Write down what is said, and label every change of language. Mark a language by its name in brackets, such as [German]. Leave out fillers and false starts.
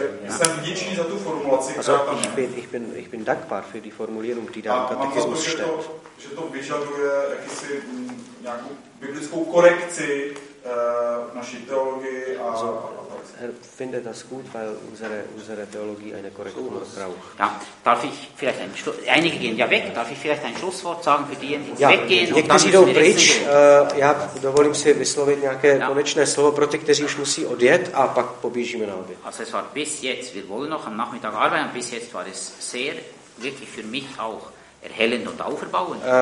[Czech] Jsem vděčný za tu formulaci, která tam je. [German] Ich bin dankbar für die Formulierung, die da im Katechismus steht. [Czech] Že to vyžaduje jakýsi nějakou biblickou korekci naší teologii a [German] Er finde das gut, weil unsere Theologie eine Korrektur braucht. Ja, darf ich vielleicht ein einige gehen ja weg, darf ich vielleicht ein Schlusswort sagen für diejenigen, die weggehen? [Czech] Ja, někteří jdou pryč, já dovolím si vyslovit nějaké konečné slovo pro ty, kteří už musí odjet a pak poběžíme na oběd. [German] Also es war bis jetzt, wir wollen noch am Nachmittag arbeiten, bis jetzt war es sehr, wirklich für mich auch erhellend und auferbauend.